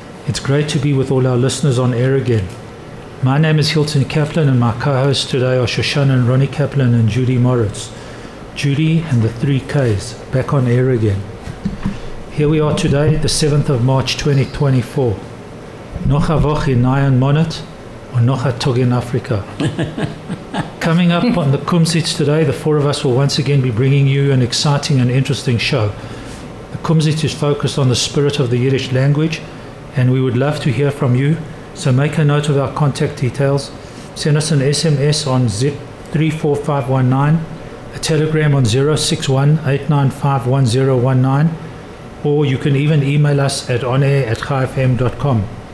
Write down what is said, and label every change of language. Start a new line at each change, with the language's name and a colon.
English: It's great to be with all our listeners on air again. My name is Hilton Kaplan and my co-hosts today are Shoshana and Ronnie Kaplan and Judy Moritz. Judy and the three Ks, back on air again. Here we are today, the 7th of March 2024.
Yiddish: Noch a Woche in Nayan Monat und noch a Tag in Afrika.
English: Coming up on the Kumsitz today, the four of us will once again be bringing you an exciting and interesting show. The Kumsitz is focused on the spirit of the Yiddish language, and we would love to hear from you. So make a note of our contact details. Send us an SMS on zip 34519, a telegram on 061-895-1019, or you can even email us at onair@chaifm.com.